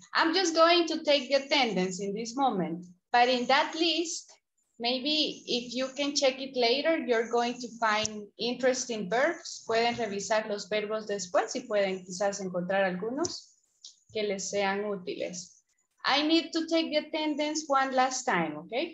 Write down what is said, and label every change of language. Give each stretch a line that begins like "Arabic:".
English: I'm just going to take the attendance in this moment. But in that list, maybe if you can check it later, you're going to find interesting verbs.
Spanish: Pueden revisar los verbos después y pueden quizás encontrar algunos que les sean útiles.
English: I need to take the attendance one last time, okay?